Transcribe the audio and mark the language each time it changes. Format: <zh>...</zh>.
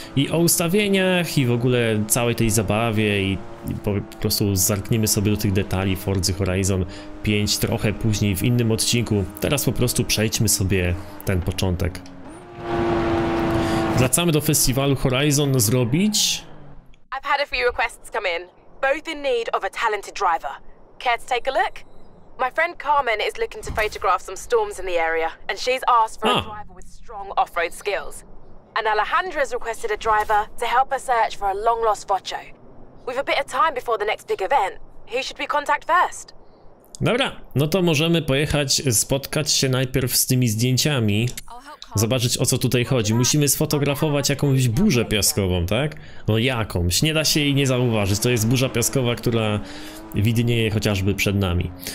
<pl>I o ustawieniach i w ogóle całej tej zabawie i po prostu zerknijmy sobie do tych detali Forza Horizon 5 trochę później w innym odcinku. Teraz po prostu przejdźmy sobie ten początek. Wracamy do festiwalu Horizon zrobić.</pl> <en>I've had a few requests come in, both in need of a talented driver. Care to take a look? My friend Carmen is looking to photograph some storms in the area, and she's asked for a driver with strong off-road skills. And Alejandra's requested a driver to help her search for a long-lost Focho. We've a bit of time before the next big event. Who should we contact first?</en> <pl>Dobra, no to możemy pojechać spotkać się najpierw z tymi zdjęciami. Zobaczyć, o co tutaj chodzi. Musimy sfotografować jakąś burzę piaskową, tak? No jakąś, nie da się jej nie zauważyć. To jest burza piaskowa, która widnieje chociażby przed nami.</pl>